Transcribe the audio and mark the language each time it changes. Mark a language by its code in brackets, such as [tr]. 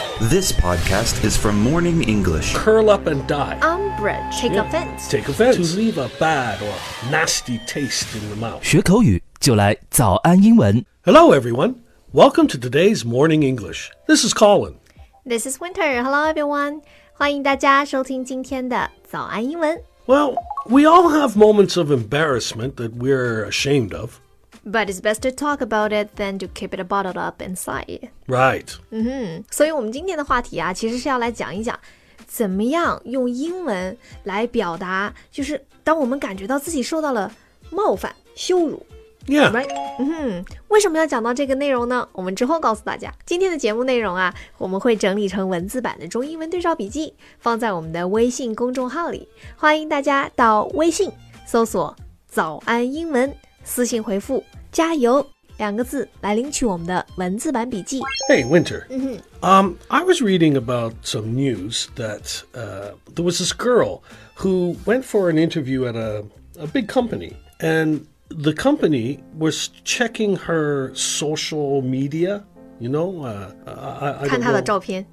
[en] This podcast is from Morning English. Curl up and die. Umbrage. Take offense. Take offense. To leave a bad or nasty taste in the mouth. [zh] 学口语就来早安英文。 [en] Hello, everyone. Welcome to today's Morning English. This is Colin. This is Winter. Hello, everyone. [zh] 欢迎大家收听今天的早安英文。 [en] Well, we all have moments of embarrassment that we're ashamed of. But it's best to talk about it than to keep it bottled up inside. Right. Mm-hmm. [zh] 所以我们今天的话题啊，其实是要来讲一讲，怎么样用英文来表达，就是当我们感觉到自己受到了冒犯、羞辱。 [en] Yeah. Right. Mm-hmm. [zh] 为什么要讲到这个内容呢？我们之后告诉大家。今天的节目内容啊，我们会整理成文字版的中英文对照笔记，放在我们的微信公众号里。欢迎大家到微信搜索“早安英文”。私信回复加油两个字来领取我们的文字版笔记。 [en] Hey, Winter. I was reading about some news that there was this girl who went for an interview at a big company. And the company was checking her social media, you know? [zh] I 看她的照片。